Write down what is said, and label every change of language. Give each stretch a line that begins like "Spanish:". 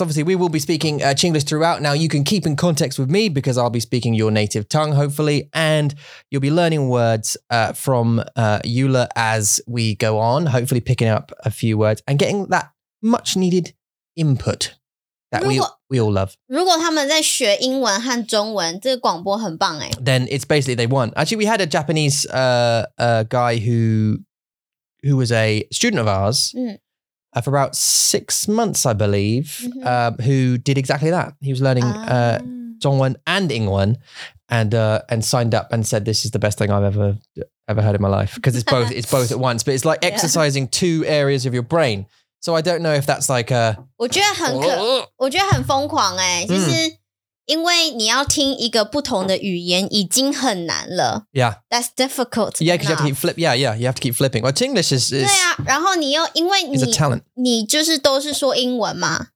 English: Obviously, we will be speaking Chinglish throughout. Now, you can keep in context with me because I'll be speaking your native tongue, hopefully, and you'll be learning words from Eula as we go on, hopefully picking up a few words and getting that much-needed input that we all love.
Chinese: 如果他们在学英文和中文，这个广播很棒诶。
English: Then it's basically they won. Actually, we had a Japanese guy who was a student of ours. Mm. For about 6 months, I believe,、mm-hmm. Who did exactly that. He was learning 中文and 英文 and signed up and said, this is the best thing I've ever heard in my life. Because it's both at once. But it's like exercising、yeah. two areas of your brain. So I don't know if that's like a...
Chinese: 我觉得很可、oh. 我觉得很疯狂欸、就是因为你要听一个不同的语言已经很难了。
English: Yeah. That's difficult. Yeah, because you have to keep flipping. Yeah, yeah, you have to keep flipping. Well, English is...
Chinese: 对啊,然后你又因为你
English: is a talent.
Chinese: 你就是都是说英文嘛。